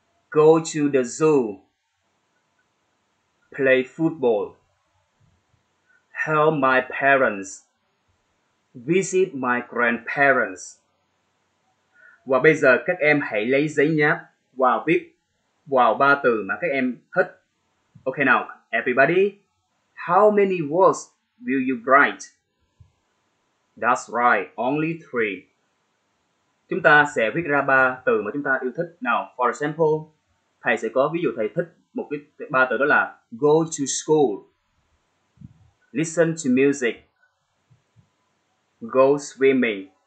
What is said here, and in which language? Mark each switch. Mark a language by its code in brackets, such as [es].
[en] Go to the zoo. Play football. Help my parents. Visit my grandparents. [vi] Và bây giờ các em hãy lấy giấy nháp và viết vào 3 từ mà các em thích. [en] Okay now, everybody, how many words will you write? That's right, only three. [vi] Chúng ta sẽ viết ra ba từ mà chúng ta yêu thích. [en] Now, for example, [vi] thầy sẽ có ví dụ thầy thích một cái ba từ đó là [en] go to school, listen to music, go swimming.